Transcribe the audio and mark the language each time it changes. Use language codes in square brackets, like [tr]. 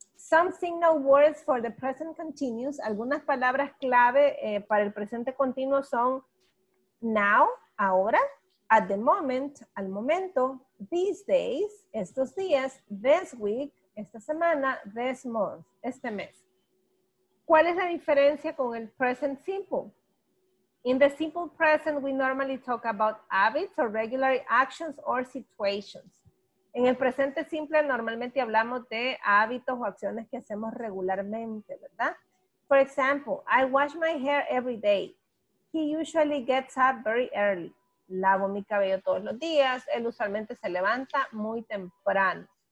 [en] Some signal words for the present continuous. [es] Algunas palabras clave para el presente continuo son [en] now, [es] ahora, [en] at the moment, [es] al momento, [en] these days, [es] estos días, [en] this week, [es] esta semana, [en] this month, [es] este mes. ¿Cuál es la diferencia con el present simple? [en] In the simple present, we normally talk about habits or regular actions or situations. [es] En el presente simple, normalmente hablamos de hábitos o acciones que hacemos regularmente, ¿verdad? [en] For example, I wash my hair every day. He usually gets up very early. [es] Lavo mi cabello todos los días. Él usualmente se levanta muy temprano.